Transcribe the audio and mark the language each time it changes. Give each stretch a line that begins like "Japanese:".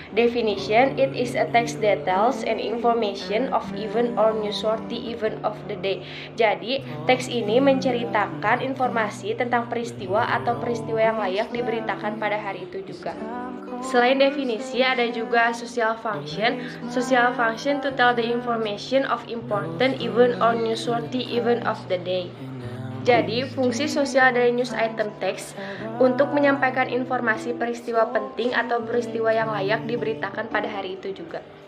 English: Definition, it is a text details and information of event or newsworthy event of the day.
Indonesian: Jadi, teks ini menceritakan informasi tentang peristiwa atau peristiwa yang layak diberitakan pada hari itu juga. Selain definisi, ada juga social function.
English: Social function to tell the information of important event or newsworthy event of the day.
Indonesian: Jadi, fungsi sosial dari news item text untuk menyampaikan informasi peristiwa penting atau peristiwa yang layak diberitakan pada hari itu juga.